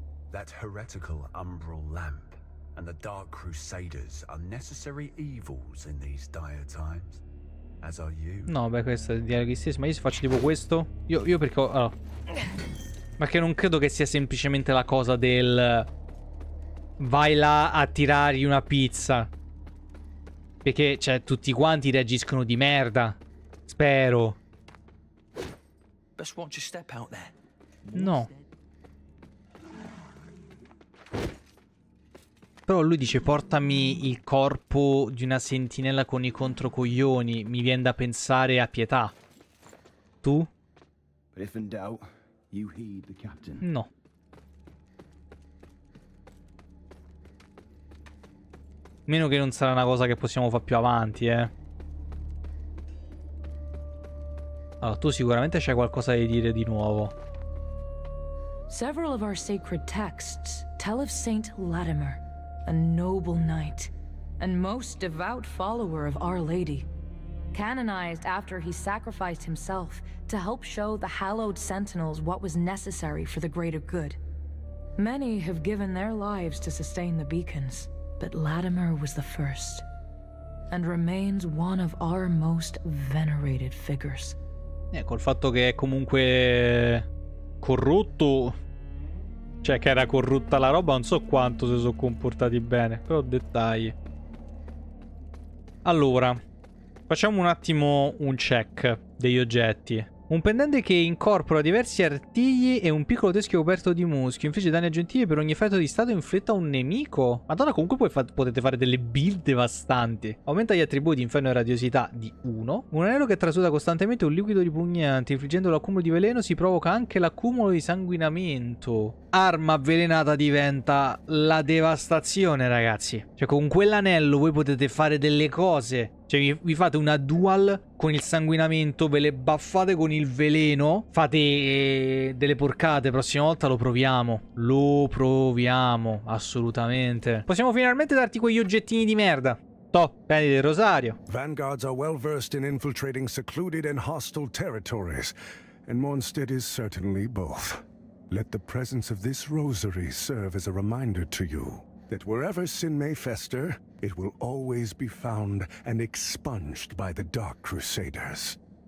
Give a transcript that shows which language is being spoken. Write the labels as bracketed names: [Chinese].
[English] That heretical umbral lamp and the dark crusaders are necessary evils in these dire times. As are you. [Italian] No, beh, questo è il dialoghi stesso. Ma io se faccio tipo questo? Io perché ho... Allora. Ma che non credo che sia semplicemente la cosa del... Vai là a tirargli una pizza. Perché, cioè, tutti quanti reagiscono di merda. Spero. [English] Best watch your step out there. [Italian] No. Però lui dice portami il corpo di una sentinella con i controcoglioni. Mi viene da pensare a pietà. Tu? [English] If in doubt, you heed the captain. [Italian] No. Meno che non sarà una cosa che possiamo fare più avanti, eh. Allora, tu sicuramente c'hai qualcosa da dire di nuovo. [English] Several of our sacred texts tell of Saint Latimer, a noble knight and most devout follower of Our Lady, canonized after he sacrificed himself to help show the hallowed sentinels what was necessary for the greater good. Many have given their lives to sustain the beacons, but Latimer was the first and remains one of our most venerated figures. [Italian] Ecco, il fatto che è comunque corrotto, cioè che era corrotta la roba, non so quanto si sono comportati bene, però dettagli. Allora, facciamo un attimo un check degli oggetti. Un pendente che incorpora diversi artigli e un piccolo teschio coperto di muschio. Infligge danni aggiuntivi per ogni effetto di stato inflitto a un nemico. Madonna, comunque potete fare delle build devastanti. Aumenta gli attributi di inferno e radiosità di 1. Un anello che trasuda costantemente un liquido ripugnante. Infliggendo l'accumulo di veleno si provoca anche l'accumulo di sanguinamento. Arma avvelenata diventa la devastazione, ragazzi. Cioè, con quell'anello voi potete fare delle cose. Cioè, vi fate una dual con il sanguinamento, ve le baffate con il veleno, fate delle porcate. Prossima volta lo proviamo. Lo proviamo, assolutamente. Possiamo finalmente darti quegli oggettini di merda. Toh, prendi il rosario. [English] Vanguards are well versed in infiltrating secluded and hostile territories, and Mondstadt is certainly both. Let the presence of this rosary serve as a reminder to you that wherever sin may fester, it will always be found and expunged by the Dark Crusaders.